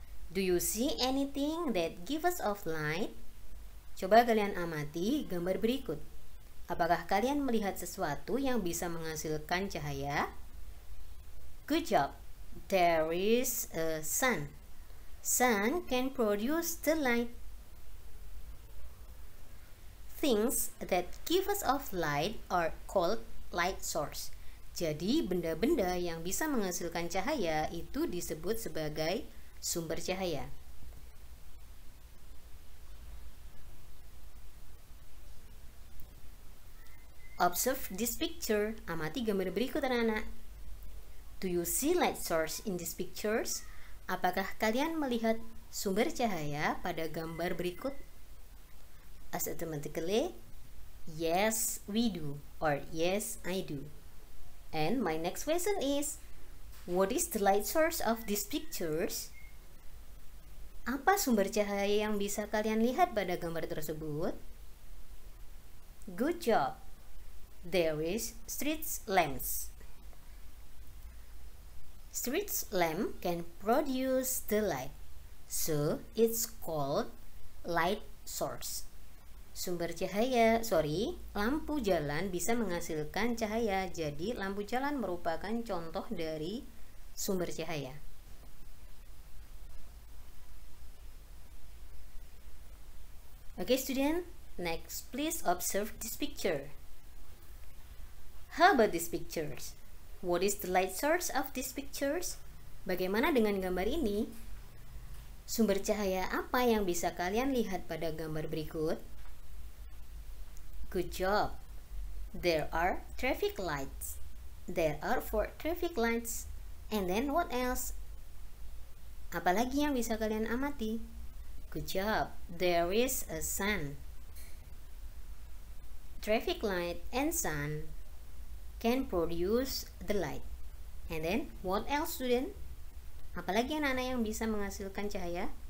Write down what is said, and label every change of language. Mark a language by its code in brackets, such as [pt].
[en] Do you see anything that gives off light? [id] Coba kalian amati gambar berikut. Apakah kalian melihat sesuatu yang bisa menghasilkan cahaya? [en] Good job. There is a sun. Sun can produce the light. Things that give us off light are called light source. [id] Jadi benda-benda yang bisa menghasilkan cahaya itu disebut sebagai sumber cahaya. [en] Observe this picture. [id] Amati gambar berikut anak-anak. [en] Do you see light source in these pictures? [id] Apakah kalian melihat sumber cahaya pada gambar berikut? [en] As automatically, yes, we do, or yes, I do. And my next question is, what is the light source of these pictures? [id] Apa sumber cahaya yang bisa kalian lihat pada gambar tersebut? [en] Good job! There is street lamps. Street lamp can produce the light, so it's called light source. [id] Sumber cahaya, lampu jalan bisa menghasilkan cahaya, jadi lampu jalan merupakan contoh dari sumber cahaya. [en] Okay, student, next please observe this picture. How about these pictures? What is the light source of these pictures? [id] Bagaimana dengan gambar ini? Sumber cahaya apa yang bisa kalian lihat pada gambar berikut? [en] Good job! There are traffic lights. There are 4 traffic lights. And then what else? [id] Apalagi yang bisa kalian amati? [en] Good job! There is a sun. Traffic light and sun can produce the light. And then, what else, student? [id] Apalagi anak-anak yang bisa menghasilkan cahaya?